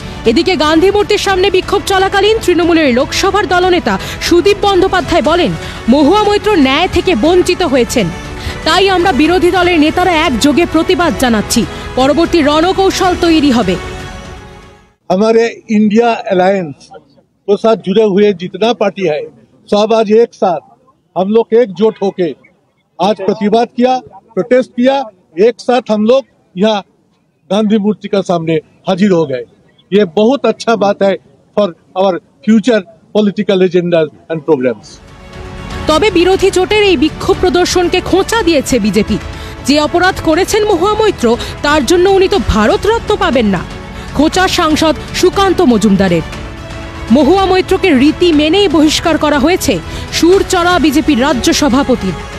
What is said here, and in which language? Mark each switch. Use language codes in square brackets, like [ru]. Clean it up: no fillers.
[bn] এদিকে গান্ধী মূর্তির সামনে বিক্ষোভ চলাকালীন তৃণমূলের লোকসভার দলনেতা সুদীপ বন্দ্যোপাধ্যায় বলেন, মহুয়া মৈত্র ন্যায় থেকে বঞ্চিত হয়েছেন, তাই আমরা বিরোধী দলের নেতারা একযোগে প্রতিবাদ জানাচ্ছি, পরবর্তী রণকৌশল তৈরি হবে। [hi] हमारे इंडिया अलायंस के साथ जुड़े हुए जितना पार्टी है सब आज एक साथ हम लोग एकजुट होके आज प्रतिवाद किया, प्रोटेस्ट किया, एक साथ हम लोग यहाँ गांधी मूर्ति के सामने हाजिर हो गए। ये बहुत अच्छा बात है [en] For our future political agendas and problems. [bn] তবে বিরোধী জোটের এই বিক্ষোভ প্রদর্শনকে খোঁচা দিয়েছে বিজেপি। যে অপরাধ করেছেন মহামৈত্র তার জন্য উনি তো ভারতরত্ন পাবেন না, খোঁচা সাংসদ সুকান্ত মজুমদারের। মহুয়া মৈত্রকে রীতি মেনেই বহিষ্কার করা হয়েছে সুর চড়া বিজেপির রাজ্য সভাপতির।